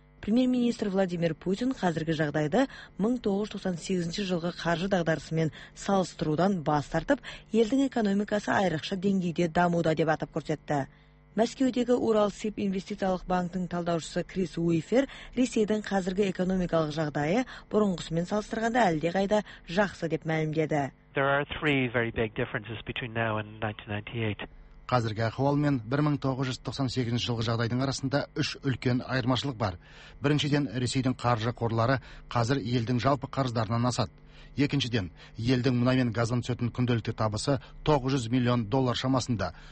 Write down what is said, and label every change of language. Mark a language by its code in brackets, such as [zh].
[kk] Премьер-министр Владимир Путин қазіргі жағдайды 1998 жылғы қаржы дағдарысымен салыстырудан бас тартып, елдің экономикасы айрықша деңгейде дамуда деп атап көрсетті. Мәскеудегі Уралсиб инвестициялық банктің талдаушысы Крис Уифер Ресейдің қазіргі экономикалық жағдайы бұрынғысымен салыстырғанда әлдеқайда жақсы деп мәлімдеді. [en] There are three very big differences between now and 1998. [kk] Қазіргі ахуал мен 1998 жылғы жағдайдың арасында үш үлкен айырмашылық бар. Біріншіден, Ресейдің қаржы қорлары қазір елдің жалпы қарыздарынан асады. Екіншіден, елдің мұнай мен газдан түсетін күнделікті табысы 900 миллион доллар шамасында.